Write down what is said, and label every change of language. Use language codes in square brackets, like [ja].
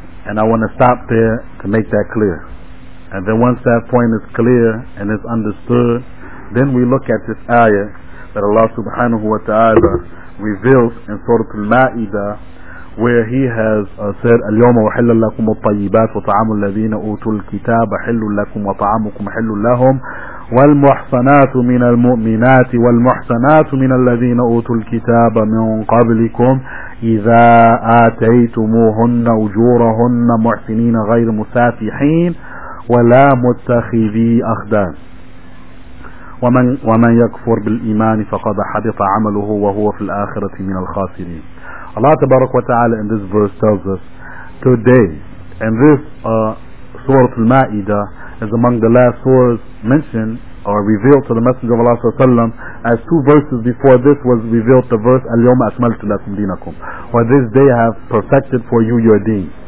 [en] And I want to stop there to make that clear. And then once that point is clear and is understood, then we look at this ayah that Allah subhanahu wa ta'ala reveals in Surah Al-Ma'idah, where he has said, [ar] اليوم وحل لكم الطيبات وطعام الذين أوتوا الكتاب حل لكم وطعامكم حل لهم والمحصنات من المؤمنات والمحصنات من الذين أوتوا الكتاب من قبلكم إذا آتيتموهن أجورهن محسنين غير مسافحين ولا متخذي أخدان ومن يكفر بالإيمان فقد حبط عمله وهو في الآخرة من الخاسرين. [en] Allah [ar] تبارك وتعالى [en] in this verse tells us today, and this Surah Al-Ma'idah is among the last surahs mentioned or revealed to the Messenger of Allah Sallallahu Alaihi Wasallam, as two verses before this was revealed the verse [ar] Al-Yawma Akmaltu Lakum Deenakum, [en] where this day I have perfected for you your deen.